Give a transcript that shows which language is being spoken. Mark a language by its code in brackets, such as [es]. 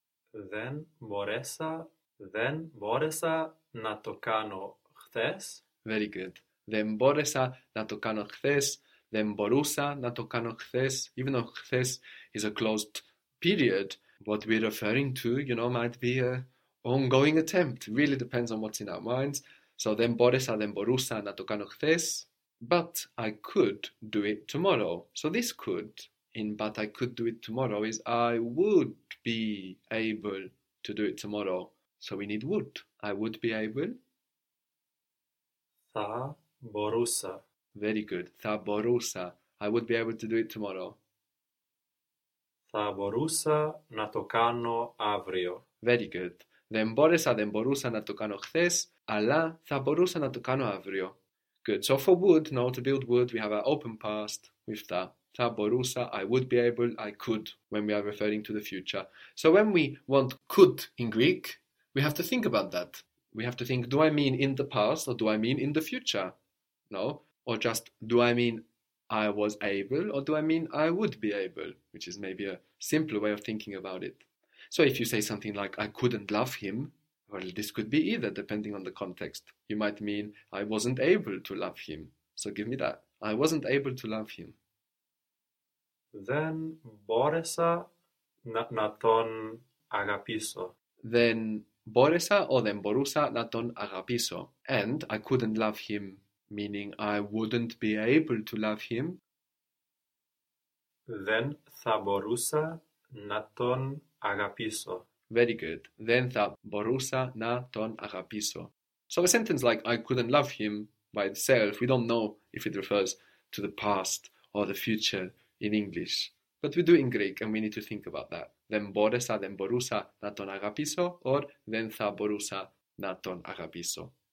[el] Δεν μπόρεσα να το κάνω χθες. [en] Very good. [el] Δεν μπόρεσα να το κάνω χθες. Δεν μπορούσα να το κάνω χθες. [en] Even though χθες is a closed period, what we're referring to, you know, might be a ongoing attempt. Really depends on what's in our minds. [el] So, δεν μπόρεσα, δεν μπορούσα να το κάνω χθες. [en] But I could do it tomorrow. So, this could in but I could do it tomorrow is I would be able to do it tomorrow. So, we need would. I would be able. [el] Θα μπορούσα. [en] Very good. [el] Θα μπορούσα. [en] I would be able to do it tomorrow. [el] Θα μπορούσα να το κάνω αύριο. [en] Very good. [el] Δεν μπόρεσα να το κάνω χθες, αλλά θα μπορούσα να το κάνω αύριο. [en] Good. So for would, now to build would, we have our open past with that. [el] Θα μπορούσα, [en] I would be able, I could, when we are referring to the future. So when we want could in Greek, we have to think about that. We have to think, do I mean in the past or do I mean in the future? No. Or just, do I mean I was able or do I mean I would be able? Which is maybe a simpler way of thinking about it. So if you say something like, I couldn't love him, well, this could be either, depending on the context. You might mean, I wasn't able to love him. So give me that. I wasn't able to love him. [el] Δεν μπόρεσα να τον αγαπήσω. Δεν μπόρεσα or δεν μπορούσα να τον αγαπήσω. [en] And I couldn't love him, meaning I wouldn't be able to love him. [el] Δεν θα μπορούσα Να τον αγαπήσω. [en] Very good. [el] Δεν θα μπορούσα να τον αγαπήσω. [en] So a sentence like I couldn't love him by itself, we don't know if it refers to the past or the future in English. But we do in Greek and we need to think about that. [el] Δεν μπόρεσα, δεν μπορούσα να τον αγαπήσω, or δεν θα μπορούσα να τον αγαπήσω.